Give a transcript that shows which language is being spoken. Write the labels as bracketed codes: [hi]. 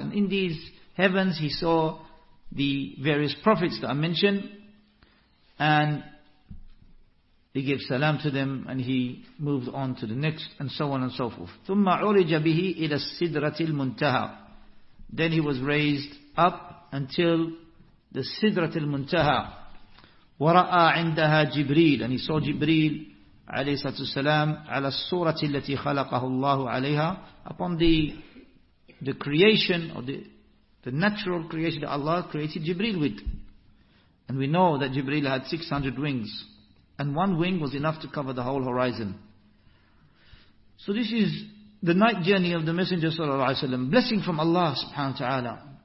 [en] And in these heavens, he saw the various prophets that are mentioned, and he gave salam to them and he moved on to the next, and so on and so forth. [ar] ثُمَّ عُرِجَ بِهِ إِلَى السِّدْرَةِ الْمُنْتَهَى. [en] Then he was raised up until the Sidratil Muntaha. [ar] وَرَأَى عِنْدَهَا جِبْرِيلَ. [en] And he saw Jibreel [ar] عليه الصلاة والسلام على الصورة التي خلقه الله عليها. [en] Upon the creation, or the natural creation that Allah created Jibreel with. And we know that Jibreel had 600 wings. And one wing was enough to cover the whole horizon. So this is the night journey of the Messenger sallallahu alayhi wa sallam, blessing from Allah subhanahu wa ta'ala.